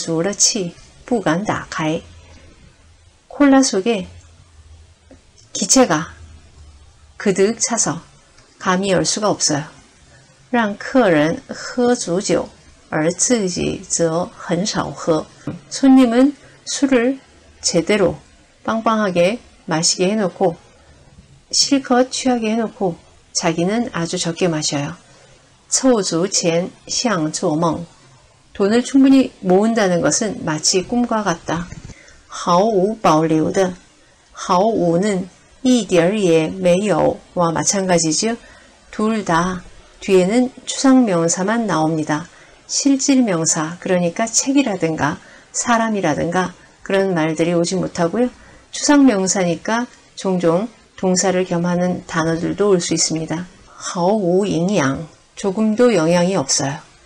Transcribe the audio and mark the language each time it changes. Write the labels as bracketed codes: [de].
[zh] 可乐里面灌足了气不敢打开 [ko] 콜라 속에 기체가 그득 차서 감이 열 수가 없어요. [zh] 让客人喝足酒 而自己则很少喝. [ko] 손님은 술을 제대로 빵빵하게 마시게 해놓고 실컷 취하게 해놓고 자기는 아주 적게 마셔요. [zh] 凑足钱像做梦. [ko] 돈을 충분히 모은다는 것은 마치 꿈과 같다. [zh] 毫无保留的. [ko] 毫无는 [zh] 一点也没有 [ko] 와 마찬가지죠. 둘 다 뒤에는 추상명사만 나옵니다. 실질명사, 그러니까 책이라든가 사람이라든가 그런 말들이 오지 못하고요. 추상명사니까 종종 동사를 겸하는 단어들도 올 수 있습니다. [zh] 毫无营养, [ko] 조금도 영향이 없어요.